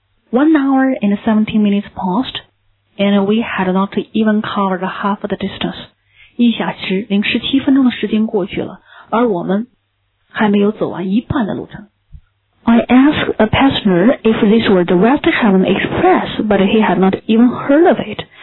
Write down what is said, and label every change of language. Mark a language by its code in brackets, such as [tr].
[en] One hour and 17 minutes passed, and we had not even covered half the distance. [zh] 一小时零17分钟的时间过去了，而我们还没有走完一半的路程。 [en] I asked a passenger if this were the West Heaven Express, but he had not even heard of it.